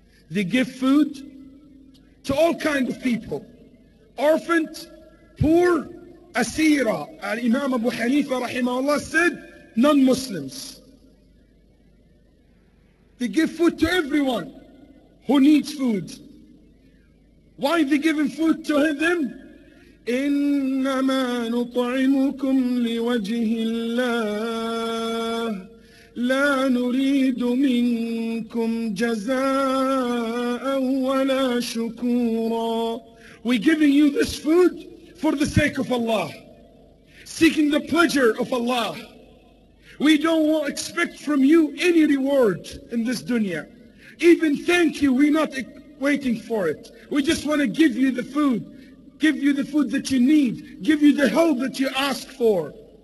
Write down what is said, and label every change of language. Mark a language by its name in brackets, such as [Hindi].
[English] They give food to all kinds of people, orphaned, poor, أسيرة. [Arabic] الإمام أبو حنيفة رحمه الله [English] said, non-Muslims. They give food to everyone who needs food. Why are they giving food to them? [Arabic] إنما نطعمكم لوجه الله لا نريد منكم جزاء ولا شكورا. [English] We're giving you this food for the sake of Allah, seeking the pleasure of Allah. We don't want to expect from you any reward in this dunya. Even thank you, we're not waiting for it. We just want to give you the food that you need, give you the help that you ask for.